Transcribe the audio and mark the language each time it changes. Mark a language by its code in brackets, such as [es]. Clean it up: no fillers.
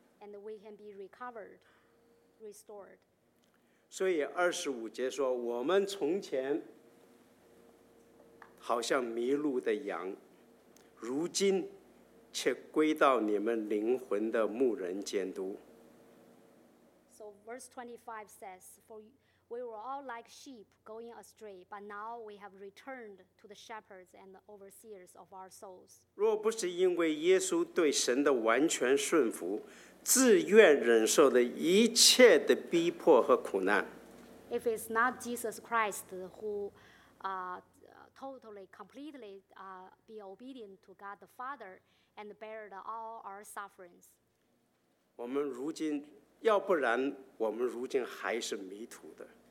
[en] And we can be recovered, restored. [zh] 所以二十五节说，我们从前好像迷路的羊。如今却归到你们灵魂的牧人监督。 [en] So verse 25 says, For we were all like sheep going astray, but now we have returned to the shepherds and the overseers of our souls. [zh] 若不是因为耶稣对神的完全顺服，自愿忍受的一切的逼迫和苦难。 [en] If it's not Jesus Christ who totally, completely be obedient to God the Father and bear all our sufferings. [zh] 我们如今，要不然我们如今还是迷途的。